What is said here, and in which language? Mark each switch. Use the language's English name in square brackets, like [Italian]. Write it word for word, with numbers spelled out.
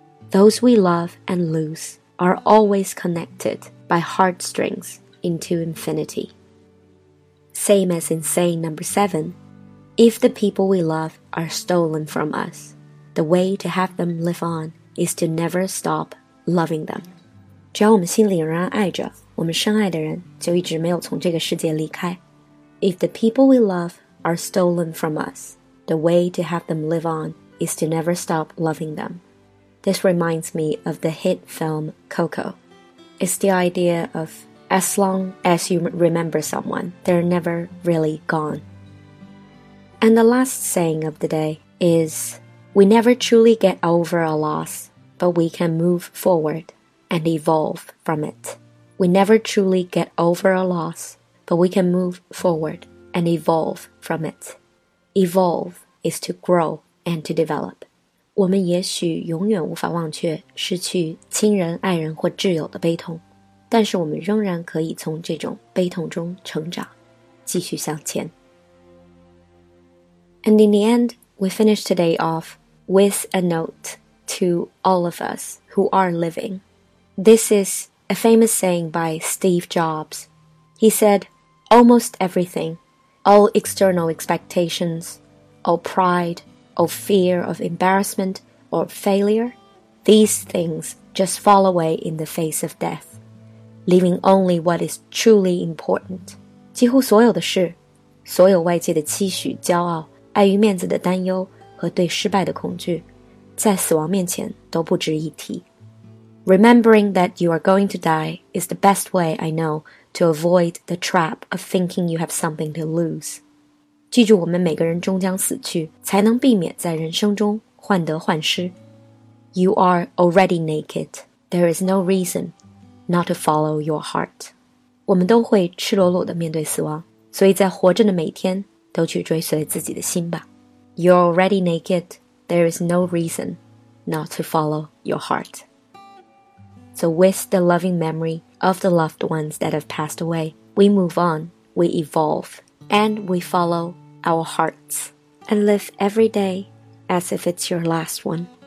[English] Those we love and lose are always connected by heartstrings into infinity. Same as in saying number seven, if the people we love are stolen from us, the way to have them live on is to never stop loving them. [Chinese] 只要我们心里仍然爱着，我们深爱的人就一直没有从这个世界离开。 [English] If the people we love are stolen from us, the way to have them live on is to never stop loving them. This reminds me of the hit film Coco. It's the idea of as long as you remember someone, they're never really gone. And the last saying of the day is, we never truly get over a loss, but we can move forward and evolve from it. We never truly get over a loss, but we can move forward and evolve from it. Evolve is to grow and to develop. [Chinese] 我们也许永远无法忘却失去亲人、爱人或挚友的悲痛，但是我们仍然可以从这种悲痛中成长，继续向前。 [English] And in the end, we finish today off with a note to all of us who are living. This is a famous saying by Steve Jobs. He said, almost everything, all external expectations, all pride,or fear of embarrassment or failure, these things just fall away in the face of death, leaving only what is truly important. [Chinese] 几乎所有的事，所有外界的期许、骄傲、碍于面子的担忧和对失败的恐惧，在死亡面前都不值一提。 [English] Remembering that you are going to die is the best way I know to avoid the trap of thinking you have something to lose. [Chinese] 记住我们每个人终将死去，才能避免在人生中患得患失。 [English] You are already naked. There is no reason not to follow your heart. [Chinese] 我们都会赤裸裸地面对死亡，所以在活着的每天都去追随自己的心吧。 [English] You're already naked. There is no reason not to follow your heart. So with the loving memory of the loved ones that have passed away, we move on, we evolve. And we follow our hearts and live every day as if it's your last one.